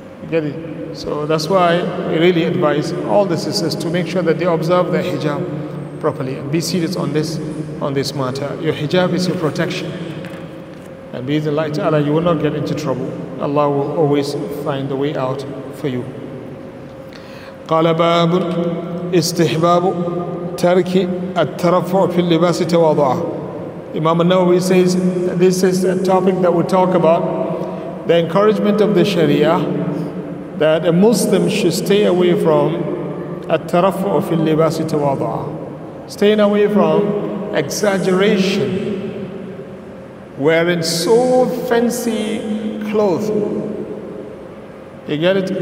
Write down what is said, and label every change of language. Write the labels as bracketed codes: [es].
[en] Get it? So that's why we really advise all the sisters to make sure that they observe their hijab properly and be serious on this matter. Your hijab is your protection. And be the light to Allah, you will not get into trouble. Allah will always find the way out for you. [ar] قال باب استحباب ترك الترفع في اللباس تواضعا. [en] Imam al-Nawawi says this is a topic that we talk about, the encouragement of the Sharia that a Muslim should stay away from [ar] الترفع في اللباس تواضعا, [en] staying away from exaggeration, wearing so fancy clothes. You get it?